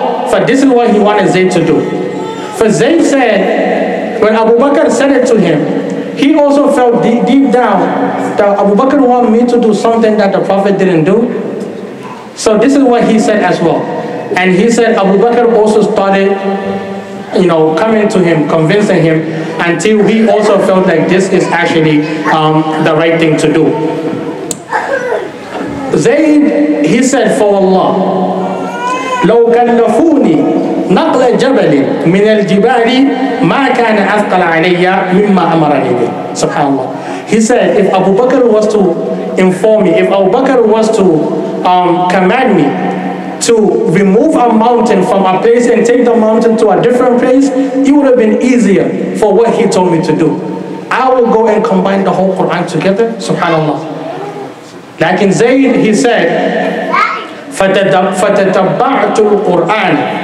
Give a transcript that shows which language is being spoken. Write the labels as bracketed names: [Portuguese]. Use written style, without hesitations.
[English] For this is what he wanted Zayd to do. For Zayd said, when Abu Bakr said it to him, he also felt deep down that Abu Bakr wanted me to do something that the Prophet didn't do. So this is what he said as well. And he said Abu Bakr also started, you know, coming to him, convincing him, until he also felt like this is actually the right thing to do. Zayd, he said, for Allah, [Arabic] لَوْ كَلَّفُونِي نَقْلَ جَبَلٍ مِنَ الْجِبَالِ مَا كَانَ أَثْقَلَ عَلَيَّ مِمَّا أَمَرَنِي بِهِ. [English] SubhanAllah. He said, if Abu Bakr was to inform me, if Abu Bakr was to command me to remove a mountain from a place and take the mountain to a different place, it would have been easier for what he told me to do. I will go and combine the whole Quran together. SubhanAllah. Like in Zayd, he said, [Arabic] فَتَتَبَّعْتُ الْقُرْآنِ.